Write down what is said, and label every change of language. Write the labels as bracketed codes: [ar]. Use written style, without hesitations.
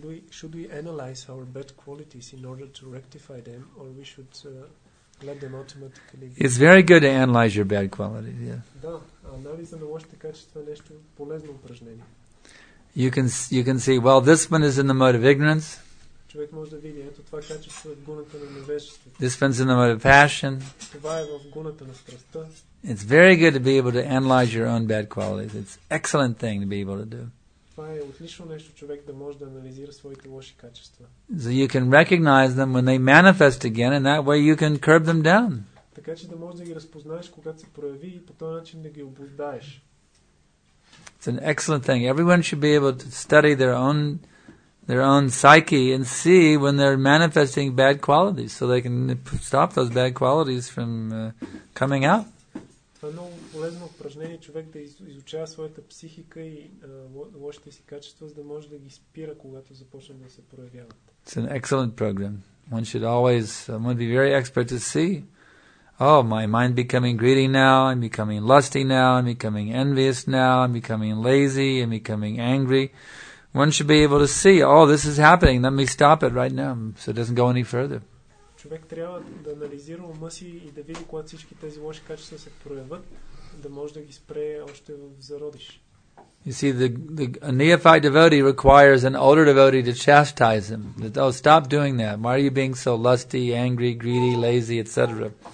[en] Should we analyze our bad qualities in order to rectify them, or we should let them automatically be. It's very good to analyze your bad qualities, yeah. [bg] Да, анализа на лошите качества е нещо полезно упражнение. [en] You can see, well, this one is in the mode of ignorance. [bg] Човек може да види, ето това качество е в гуната на невежеството. [en] This one's in the mode of passion. [bg] Това е в гуната на страстта. [en] It's very good to be able to analyze your own bad qualities. It's an excellent thing to be able to do. [bg] Това е отлично нещо, човек да може да анализира своите лоши качества. [en] So you can recognize them when they manifest again, and that way you can curb them down. [bg] Така че да може да ги разпознаеш, когато се прояви, и по този начин да ги обуздаеш. [en] It's an excellent thing. Everyone should be able to study their own psyche and see when they're manifesting bad qualities, so they can stop those bad qualities from coming out. [bg] Това е много полезно упражнение, човек да изучава своята психика и лошите си качества, за да може да ги спира, когато започне да се проявяват. [en] It's an excellent program. One should always, one be very expert to see, oh, my mind becoming greedy now, I'm becoming lusty now, I'm becoming envious now, I'm becoming lazy, I'm becoming angry. One should be able to see, oh, this is happening, let me stop it right now, so it doesn't go any further. [bg] Човек трябва да анализира ума си и да види когато всички тези лоши качества се проявят, да може да ги спре още в зародиш. [en] You see, a neophyte devotee requires an older devotee to chastise him. That, oh, stop doing that. Why are you being so lusty, angry, greedy, lazy, etc.?